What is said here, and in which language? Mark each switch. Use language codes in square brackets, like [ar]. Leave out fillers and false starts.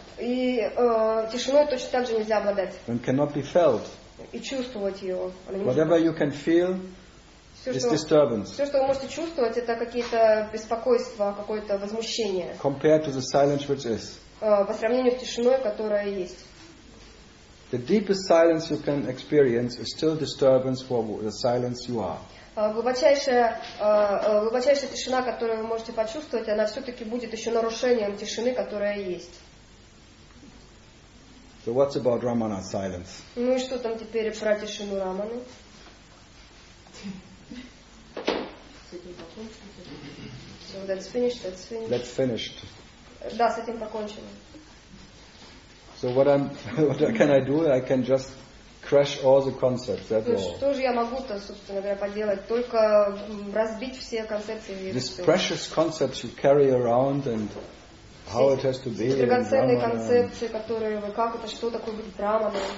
[ru] И тишиной точно так же нельзя обладать. [en] And cannot be felt. [ru] И чувствовать ее. [en] Whatever you can feel is disturbance. [ru] Все, что вы можете чувствовать, это какие-то беспокойства, какое-то возмущение. [en] Compared to the silence which is. [ru] По сравнению с тишиной, которая есть. [en] The deepest silence you can experience is still disturbance for the silence you are. [ru] Глубочайшая тишина, которую вы можете почувствовать, она все-таки будет еще нарушением тишины, которая есть. [en] So what's about Ramana's silence? [ru] Ну и что там теперь про тишину Раманы? [en] That's finished. [ru] Да, с этим покончено. [en] So what can I do? I can just crash all the concepts. [ru] Что же я могу-то, собственно говоря, поделать? Только разбить все концепции. [en] These precious concepts you carry around and how it has to be. [ru] Все драгоценные концепции, которые вы как это, что такое будет драма.